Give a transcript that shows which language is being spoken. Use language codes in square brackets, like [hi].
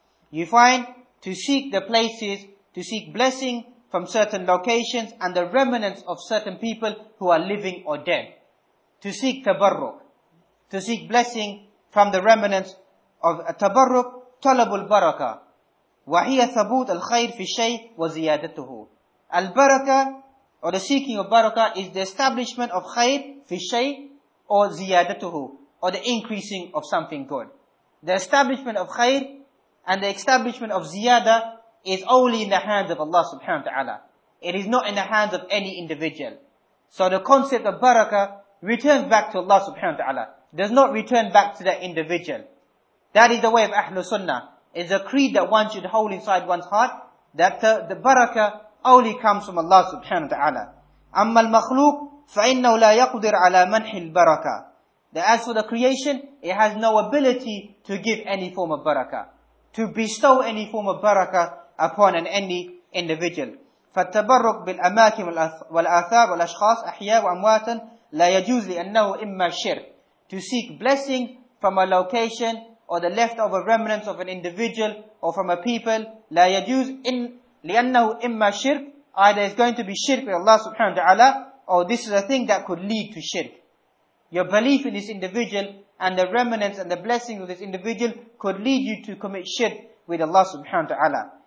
[en] You find to seek the places, to seek blessing from certain locations and the remnants of certain people who are living or dead. To seek تبرك, to seek blessing from the remnants of [ar] التبرك, طلب البركة. وهي ثبوت الخير في الشيء وزيادته. [en] البركة, or the seeking of baraka, is the establishment of khayr fi shay or ziyadatuhu, or the increasing of something good. The establishment of khayr and the establishment of ziyada is only in the hands of Allah subhanahu wa ta'ala. It is not in the hands of any individual. So the concept of baraka returns back to Allah subhanahu wa ta'ala. Does not return back to that individual. That is the way of Ahlu Sunnah. It's a creed that one should hold inside one's heart, that the baraka only comes from Allah subhanahu wa ta'ala. [ar] أما المخلوق فإنه لا يقدر على منح البركة. [en] As for the creation, it has no ability to give any form of baraka, to bestow any form of baraka upon any individual. [ar] فالتبرك بالأماكن والآثار والأشخاص أحياء وأمواتا لا يجوز لأنه إما شرك. [en] To seek blessing from a location or the leftover remnants of an individual or from a people, [ar] لا يجوز إن لأنه إما شرك, [en] either it's going to be shirk with Allah subhanahu wa ta'ala, or this is a thing that could lead to shirk. Your belief in this individual and the remnants and the blessing of this individual could lead you to commit shirk with Allah subhanahu wa ta'ala.